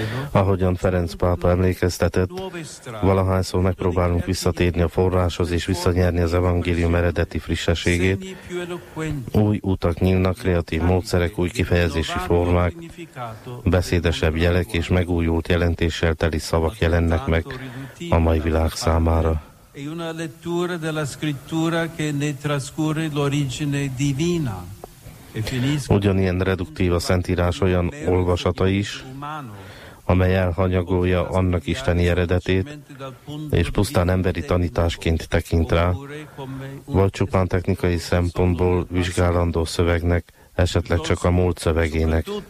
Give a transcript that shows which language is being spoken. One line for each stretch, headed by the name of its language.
Hungarian: Ahogyan Ferenc pápa emlékeztetett, valahányszor megpróbálunk visszatérni a forráshoz és visszanyerni az evangélium eredeti frissességét, új utak nyílnak, kreatív módszerek, új kifejezési formák, beszédesebb jelek és megújult jelentéssel teli szavak jelennek meg a mai világ számára.
Italian: È una lettura della scrittura che ne trascure l'origine divina.
Hungarian: Ugyanilyen reduktív a Szentírás olyan olvasata is, amely elhanyagolja annak isteni eredetét, és pusztán emberi tanításként tekint rá, vagy csupán technikai szempontból vizsgálandó szövegnek, esetleg csak a múlt szövegének.